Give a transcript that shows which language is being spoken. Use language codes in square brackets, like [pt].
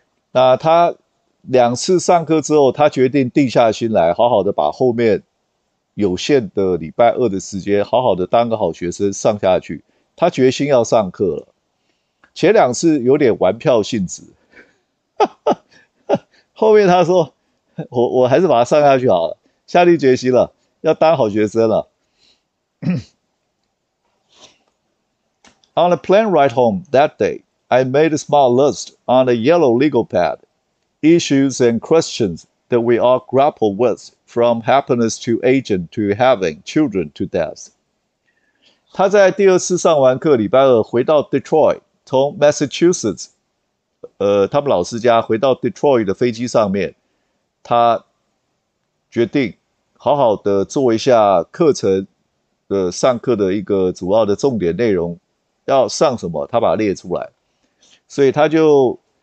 [zh] 那他2次上课之后，他决定定下心来，好好的把后面有限的礼拜二的时间，好好的当个好学生上下去。他决心要上课了，前两次有点玩票性质，后面他说：“我还是把它上下去好了，下定决心了，要当好学生了。 [en] ”On a plane ride home that day, I made a small list on a yellow legal pad, issues and questions that we all grapple with, from happiness to aging to having children to death. [zh] 他在第二次上完课，礼拜二回到 Detroit，从 Massachusetts，他们老师家回到 Detroit 的飞机上面，他决定好好的做一下课程的上课的一个主要的重点内容，要上什么，他把它列出来，所以他就